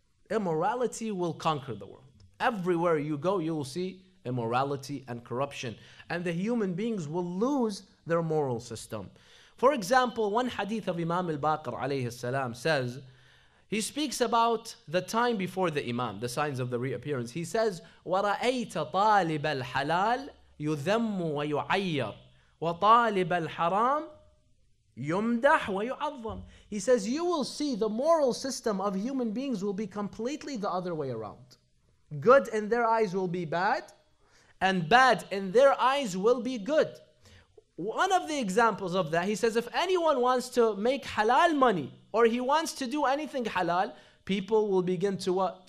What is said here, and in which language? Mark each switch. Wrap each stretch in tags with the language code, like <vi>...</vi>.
<en>Immorality will conquer the world. Everywhere you go, you will see immorality and corruption. And the human beings will lose their moral system. For example, one hadith of Imam al-Baqir alayhi salam says, he speaks about the time before the Imam, the signs of the reappearance. He says,</en> <ar>وَرَأَيْتَ طَالِبَ الْحَلَالِ يُذَمُّ وَيُعَيَّرُ وَطَالِبَ الْحَرَامِ يُمْدَحْ وَيُعَظَّمُ.</ar> <en>He says, you will see the moral system of human beings will be completely the other way around. Good in their eyes will be bad, and bad in their eyes will be good. One of the examples of that, he says, if anyone wants to make halal money or he wants to do anything halal, people will begin to what?</en>